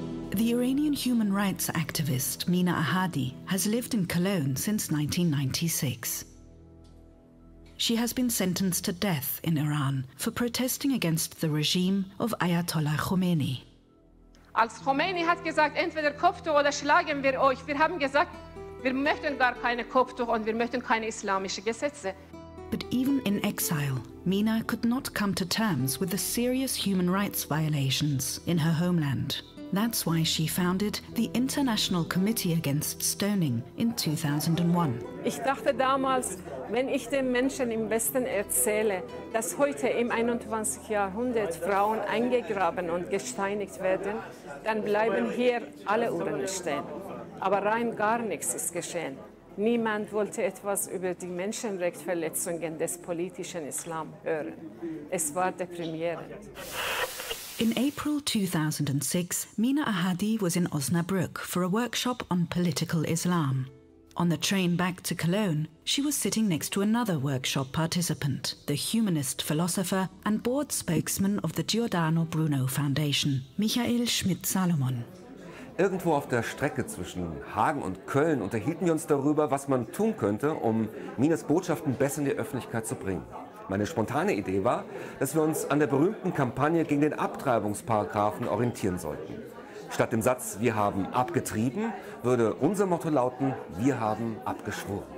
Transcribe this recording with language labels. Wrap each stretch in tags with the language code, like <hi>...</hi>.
<en>The Iranian human rights activist Mina Ahadi has lived in Cologne since 1996. She has been sentenced to death in Iran for protesting against the regime of Ayatollah Khomeini.</en> <de>Als Khomeini hat gesagt, entweder Kopftuch oder schlagen wir euch. Wir haben gesagt, wir möchten gar keine Kopftuch und wir möchten keine islamische Gesetze.</de> <en>But even in exile, Mina could not come to terms with the serious human rights violations in her homeland. That's why she founded the International Committee Against Stoning in 2001.</en> <de>Ich dachte damals, wenn ich den Menschen im Westen erzähle, dass heute im 21. Jahrhundert Frauen eingegraben und gesteinigt werden, dann bleiben hier alle Urnen stehen. Aber rein gar nichts ist geschehen. Niemand wollte etwas über die Menschenrechtsverletzungen des politischen Islam hören. Es war deprimierend.</de> <en>In April 2006, Mina Ahadi was in Osnabrück for a workshop on political Islam. On the train back to Cologne, she was sitting next to another workshop participant, the humanist philosopher and board spokesman of the Giordano Bruno Foundation, Michael Schmidt-Salomon.</en> <de>Irgendwo auf der Strecke zwischen Hagen und Köln unterhielten wir uns darüber, was man tun könnte, um Minas Botschaften besser in die Öffentlichkeit zu bringen. Meine spontane Idee war, dass wir uns an der berühmten Kampagne gegen den Abtreibungsparagrafen orientieren sollten. Statt dem Satz, wir haben abgetrieben, würde unser Motto lauten, wir haben abgeschworen.</de>